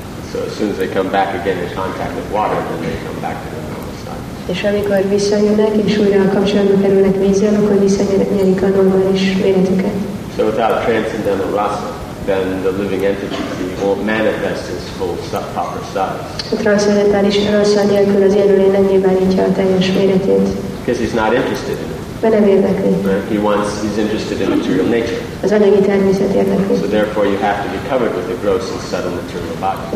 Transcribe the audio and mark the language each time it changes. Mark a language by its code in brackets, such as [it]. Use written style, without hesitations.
[en] So as soon as they come back again in contact with water, then they come back to the normal size. [hu] És amikor visszajönnek és újra a kapcsolatba kerülnek vízzel, akkor visszanyerik a normális méretüket. [en] So without transcendental rasa, then the living entity won't manifest its full proper size. Because he's not interested in it. He's interested in material nature. So therefore you have to be covered with a gross and subtle material body.